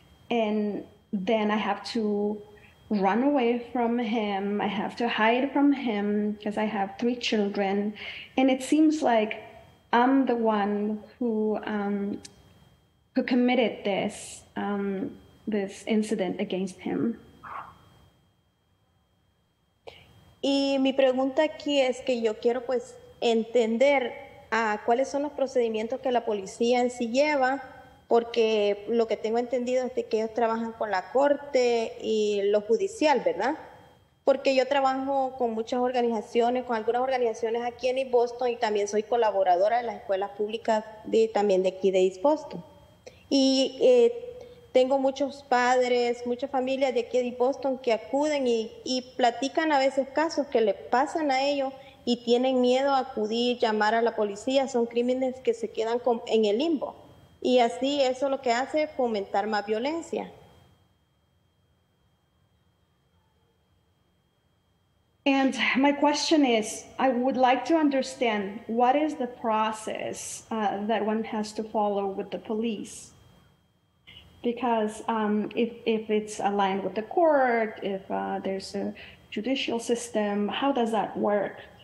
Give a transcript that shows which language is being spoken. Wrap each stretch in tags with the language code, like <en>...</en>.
<en>And then I have to run away from him. I have to hide from him because I have 3 children. And it seems like I'm the one who committed this this incident against him.</en> <es>Y mi pregunta aquí es que yo quiero pues entender cuáles son los procedimientos que la policía en sí lleva, porque lo que tengo entendido es de que ellos trabajan con la corte y lo judicial, ¿verdad? Porque yo trabajo con muchas organizaciones, con algunas organizaciones aquí en East Boston, y también soy colaboradora de las escuelas públicas también de aquí de East Boston. Y tengo muchos padres, muchas familias de aquí de East Boston que acuden y platican a veces casos que le pasan a ellos y tienen miedo a acudir, llamar a la policía. Son crímenes que se quedan en el limbo. Y así eso lo que hace es fomentar más violencia.</es> <en>And my question is, I would like to understand, what is the process that one has to follow with the police? Because if it's aligned with the court, if there's a judicial system, how does that work?</en>